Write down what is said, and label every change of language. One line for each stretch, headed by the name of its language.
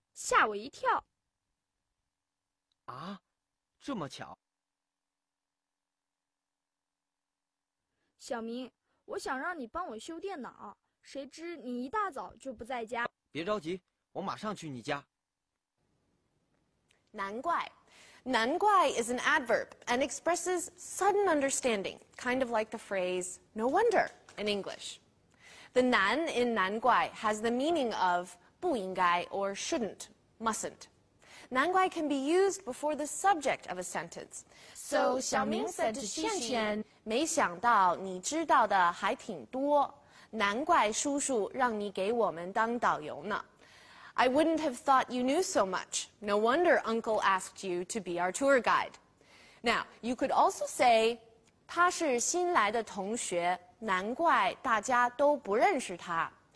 Chinese: 吓我一跳! 啊?这么巧? 小明, 我想让你帮我修电脑, 谁知你一大早就不在家? 别着急, 我马上去你家! 难怪!
English: 难怪 is an adverb and expresses sudden understanding, kind of like the phrase, no wonder, in English. The 难 in 难怪 has the meaning of 不应该 or shouldn't. Mustn't. 难怪 can be used before the subject of a sentence. So Xiaoming said to Xianxian,
Chinese: 没想到你知道的还挺多, 难怪叔叔让你给我们当导游呢.
English: I wouldn't have thought you knew so much. No wonder Uncle asked you to be our tour guide. Now, you could also say,
Chinese: 他是新来的同学, 难怪大家都不认识他.